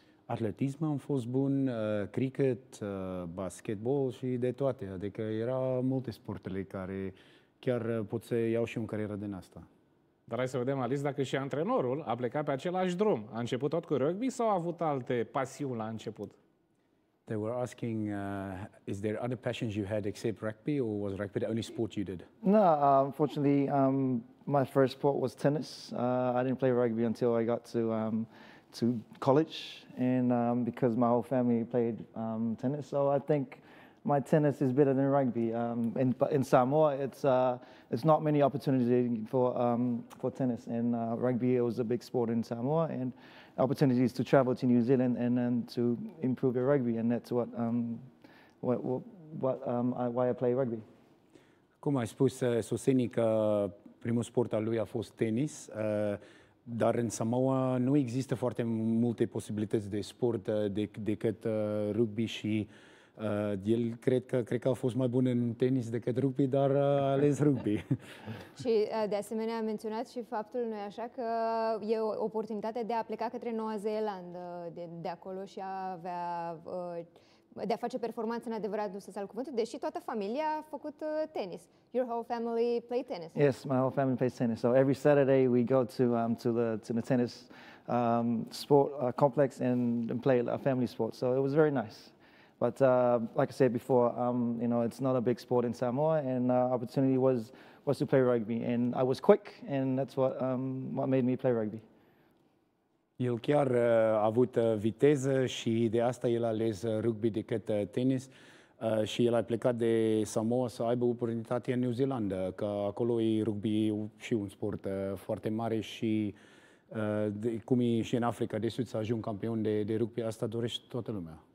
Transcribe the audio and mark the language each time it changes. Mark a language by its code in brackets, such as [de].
[ro] Atletism am fost bun, cricket, basketball și de toate. Adică erau multe sporturile care chiar pot să iau și o carieră din asta. Dar hai să vedem, Alice, dacă și antrenorul a plecat pe același drum. A început tot cu rugby sau a avut alte pasiuni la început? [en] They were asking, is there other passions you had except rugby, or was rugby the only sport you did? No, unfortunately, my first sport was tennis. I didn't play rugby until I got to college, and because my whole family played tennis, so I think my tennis is better than rugby. In Samoa, it's not many opportunities for tennis, and rugby it was a big sport in Samoa, and opportunities to travel to New Zealand and to improve your rugby, and that's why I play rugby. [ro] Cum ai spus, Sosini, că primul sport al lui a fost tenis, dar în Samoa nu există foarte multe posibilități de sport decât rugby și el cred că a fost mai bun în tenis decât rugby, dar a ales rugby. Și de asemenea a menționat și faptul, nu-i așa, că e o oportunitate de a pleca către Noua Zeelandă de acolo și a avea de a face performanțe în adevărat sens al cuvântului, deși toată familia a făcut tenis. [en] Your whole family play tennis. Yes, my whole family plays tennis. So every Saturday we go to the tennis sport complex and play a family sport. So it was very nice. But like I said before, you know, it's not a big sport in Samoa, and opportunity was to play rugby, and I was quick, and that's what made me play rugby. [ro] El chiar a avut viteză și de asta el a ales rugby decât tenis, și el a plecat de Samoa să aibă oportunitatea în New Zealand, că acolo e rugby și un sport foarte mare și cum e și în Africa de Sud, să ajung campion de rugby, asta dorește toată lumea.